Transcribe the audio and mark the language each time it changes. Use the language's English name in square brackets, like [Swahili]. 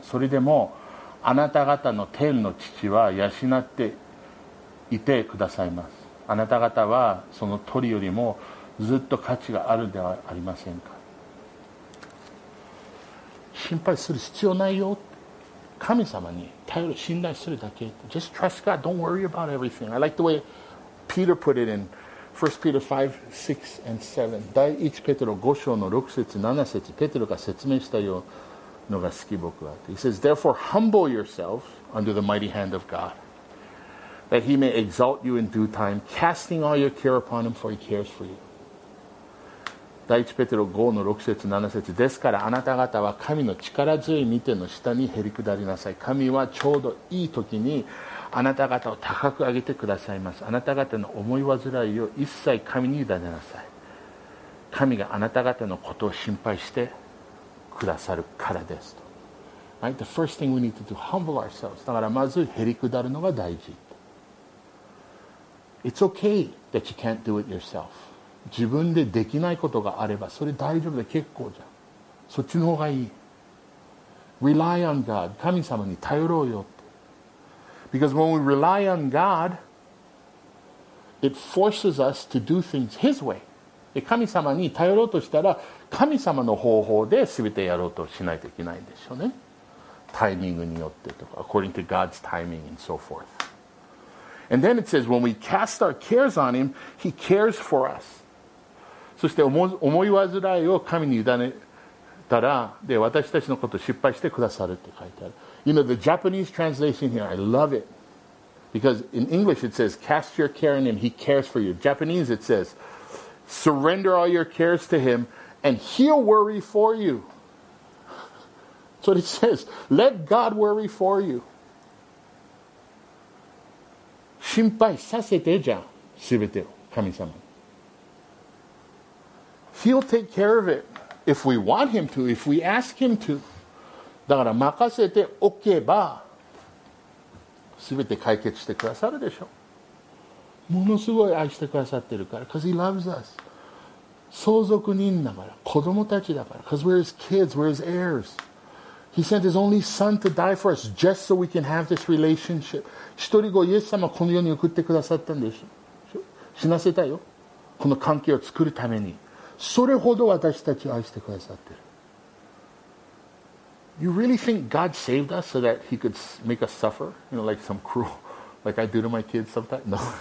[Japanese] それでも、あなた方の天の父は養っていてくださいます。あなた方はその鳥よりもずっと価値があるではありませんか。心配する必要ないよ。神様に頼る、信頼するだけ。 [English] Just trust God. Don't worry about everything. I like the way Peter put it in. 1 Peter 5, 6 and 7. [Japanese] 第1ペテロ5章の6節、7節、ペテロが説明したようのが好き僕は。 [English] He says, Therefore humble yourselves under the mighty hand of God, that he may exalt you in due time, casting all your care upon him, for he cares for you. [Japanese] 第1ペテロ5の6節、7節、ですからあなた方は神の力強い御手の下にへり下りなさい。神はちょうどいい時にあなた方を高く上げてくださいます。あなた方の思い煩いを一切神に委ねなさい。神があなた方のことを心配してくださるからですと。 [English] Right? The first thing we need to do, humble ourselves. [Japanese] だからまず、へりくだるのが大事。 [English] It's okay that you can't do it yourself. [Japanese] 自分でできないことがあればそれ大丈夫で結構じゃん。そっちの方がいい。 [English] Rely on God、 [Japanese] 神様に頼ろうよって。 [English] Because when we rely on God it forces us to do things His way。 [Japanese] で神様に頼ろうとしたら神様の方法で全てやろうとしないといけないんでしょうね。タイミングによってとか [English] According to God's timing and so forth。 And then it says, when we cast our cares on him, he cares for us. [Japanese] そして思い煩いを神に委ねたら、で私たちのことを心配してくださるって書いてある。 [English] You know, the Japanese translation here, I love it. Because in English it says, cast your care on him, he cares for you. Japanese it says, surrender all your cares to him, and he'll worry for you. That's what it says. Let God worry for you. [Japanese] 心配させてじゃん、すべてを神様。 [English] He'll take care of it if we want him to, if we ask him to. [Japanese] だから任せておけば、すべて解決してくださるでしょ。ものすごい愛してくださってるから、 [English] because he loves us. [Japanese] 相続人だから、子供たちだから、 [English] because we're his kids, we're his heirs. He sent his only son to die for us just so we can have this relationship. [Japanese] 一人子イエス様この世に送ってくださったんでしょ。死なせたよ。この関係を作るために。それほど私たちを愛してくださってる。 [English] You really think God saved us so that he could make us suffer? You know, like some cruel, like I do to my kids sometimes? No.